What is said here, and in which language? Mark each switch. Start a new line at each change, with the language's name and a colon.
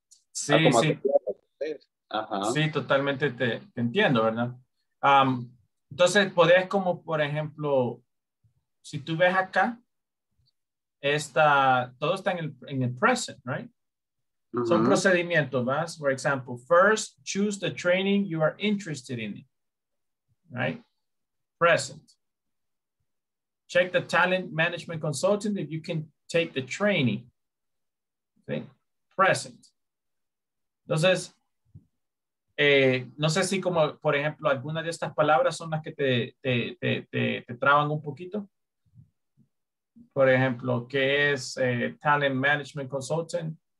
Spanish: Sí, totalmente te entiendo, ¿verdad? Entonces, podés como, por ejemplo, si tú ves acá, todo está en el present, right? Son procedimientos, ¿verdad?
English: For example, first, choose the training you are interested in, right? Present. Check the talent management consultant if you can take the training. Okay. Present.
Spanish: Entonces, no sé si como, por ejemplo, algunas de estas palabras son las que te traban un poquito. Por ejemplo, ¿qué es talent management consultant?